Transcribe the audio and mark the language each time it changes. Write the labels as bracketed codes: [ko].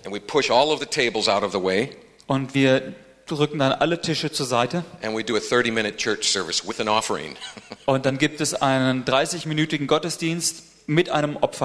[en] And we push all of the tables out of the way. [de] Und wir drücken dann alle Tische zur Seite. [en] And we do a 30-minute church service with an offering. [de] Und dann gibt es einen 30-minütigen Gottesdienst mit einem